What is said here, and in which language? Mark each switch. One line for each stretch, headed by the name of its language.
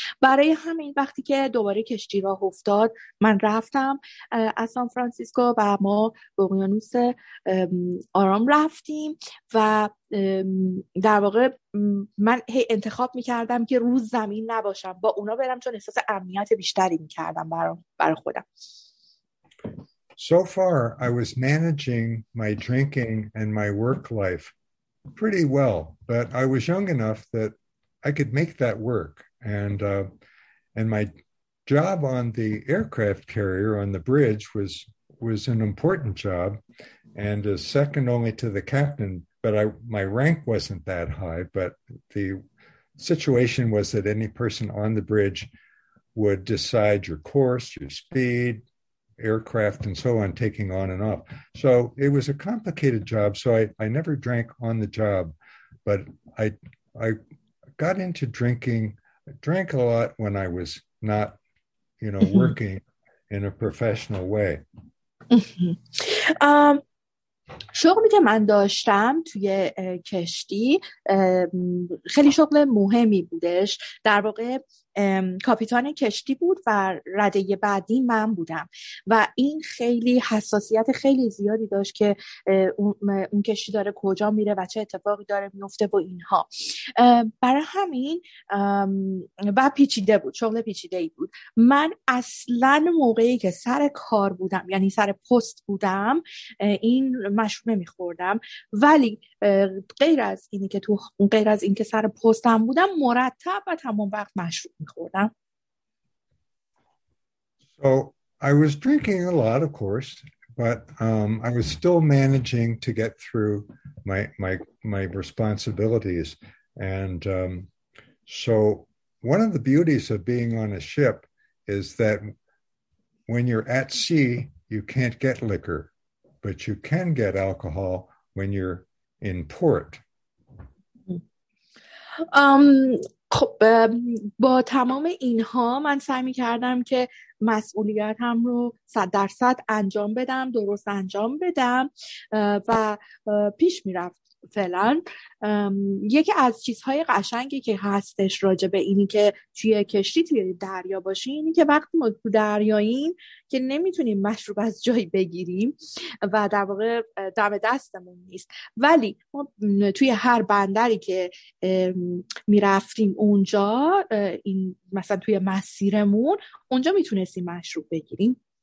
Persian: برای همین وقتی که دوباره کشتی راه افتاد، من رفتم از سان فرانسیسکو و ما به اقیانوس آرام رفتیم و در واقع من هی انتخاب میکردم که روز زمین نباشم، با اونا برم، چون احساس امنیت بیشتری میکردم برای خودم.
English: So far I was managing my drinking and my work life pretty well, but I was young enough that I could make that work. And my job on the aircraft carrier on the bridge was an important job and is second only to the captain. But my rank wasn't that high, but the situation was that any person on the bridge would decide your course, your speed, aircraft, and so on, taking on and off. So it was a complicated job, so I never drank on the job, but I got into drinking. I drank a lot when I was not, you know, working in a professional way.
Persian: شغلی که من داشتم توی کشتی خیلی شغل مهمی بودش، در واقع کاپیتان کشتی بود و رده بعدی من بودم و این خیلی حساسیت خیلی زیادی داشت که اون کشتی داره کجا میره و چه اتفاقی داره میفته با اینها، برای همین و پیچیده بود، شغل پیچیده‌ای بود. من اصلاً موقعی که سر کار بودم، یعنی سر پست بودم، این مشروب نمیخوردم، ولی غیر از اینکه سر پستم بودم، مرتب و تمام وقت مشروب.
English: So I was drinking a lot, of course, but I was still managing to get through my responsibilities. And so one of the beauties of being on a ship is that when you're at sea, you can't get liquor, but you can get alcohol when you're in port.
Persian: خب با تمام اینها من سعی می کردم که مسئولیتم رو 100% انجام بدم، درست انجام بدم و پیش می رفت. فعلا یکی از چیزهای قشنگی که هستش راجع به اینی که توی کشتی توی دریا باشی، اینی که وقتی ما تو دریاییم که نمیتونیم مشروب از جایی بگیریم و در واقع دم دستمون نیست، ولی ما توی هر بندری که میرفتیم اونجا، این مثلا توی مسیرمون اونجا میتونستیم مشروب بگیریم.